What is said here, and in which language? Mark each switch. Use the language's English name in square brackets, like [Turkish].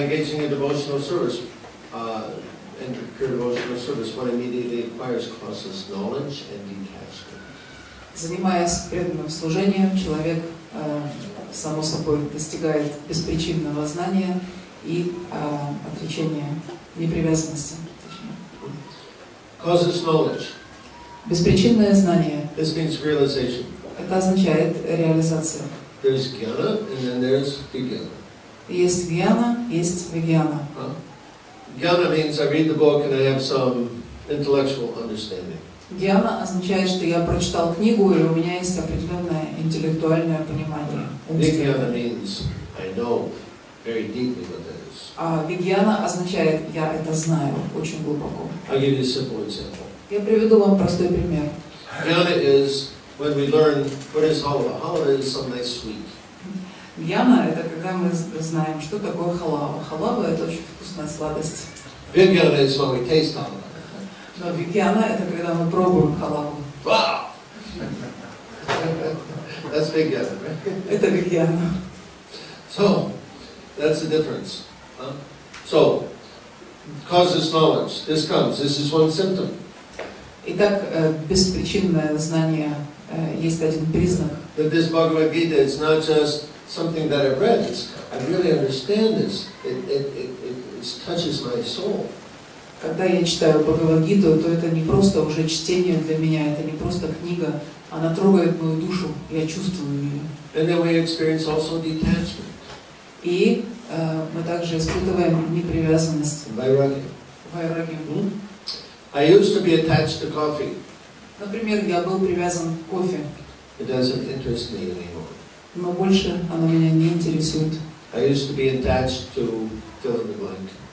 [English] engaging in devotional service, enter pure devotional service, one immediately acquires causeless knowledge and detachment. [Russian] Занимаясь преданным служением, человек само собой достигает беспричинного знания и отречения непривязанности. [English] Causes knowledge. [Russian] Беспричинное знание. [English] This means realization. [Russian] Это означает реализация. [English] There's jnana and then there's vijnana. [Russian] Есть jnana, есть vijnana. [English] Jnana means I read the book and I have some intellectual understanding. [Russian] Гьяна означает, что я прочитал книгу, и у меня есть определенное интеллектуальное понимание. [English] Vijnana means I know very deeply what that is. [Russian] А Вигьяна означает, я это знаю очень глубоко. [English] I'll give you a simple example. [Russian] Я приведу вам простой пример. [English] Vijnana is when we learn what is halva. Halva is something nice, sweet. [Russian] Гьяна — это когда мы знаем, что такое халава. Халава — это очень вкусная сладость. [English] Vijnana is when we taste halva. [Russian] Но Вигьяна — это когда мы пробуем халаву. [English] Wow! That's Vigyana, right? [Russian] Это Вигьяна. [English] So, that's the difference. So, causes knowledge. This comes. This is one symptom. [Russian] Итак, беспричинное знание есть один признак. [English] That this Bhagavad Gita is not just something that I've read. It's, I really understand this. It touches my soul. [Russian] Когда я читаю Бхагавад-гиту, то это не просто уже чтение для меня, это не просто книга. Она трогает мою душу, я чувствую ее. [English] And then we experience also detachment. [Russian] И мы также испытываем непривязанность. [Sanskrit] Vairagya. Mm-hmm. [English] I used to be attached to coffee. [Russian] Например, я был привязан к кофе. [English] It doesn't interest me anymore. [Russian] Но больше оно меня не интересует. [English] I used to be attached to fill in the blank.